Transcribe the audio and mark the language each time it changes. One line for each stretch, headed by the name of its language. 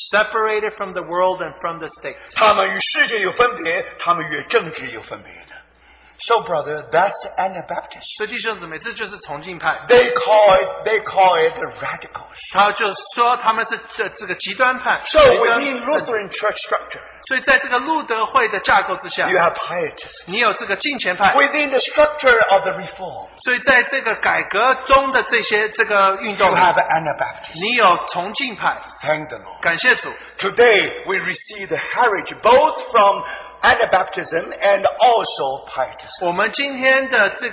English: Separated from the world and from the state.
Chinese: 他们与世界有分别，他们与政治有分别的。
English: So brother, that's Anabaptist.
Chinese: 所以弟兄姊妹，这就是崇敬派。
English: They call it radicals.
Chinese: 他就说他们是这个极端派。
English: So within Lutheran church structure.
Chinese: 所以在这个路德会的架构之下,
English: you have pietists.
Chinese: 你有这个敬虔派。
English: Within the structure of the reform.
Chinese: 所以在这个改革中的这些这个运动,
English: you have Anabaptist.
Chinese: 你有崇敬派。
English: Thank the Lord.
Chinese: 感谢主。
English: Today we receive the heritage both from Anabaptism and also Pietism.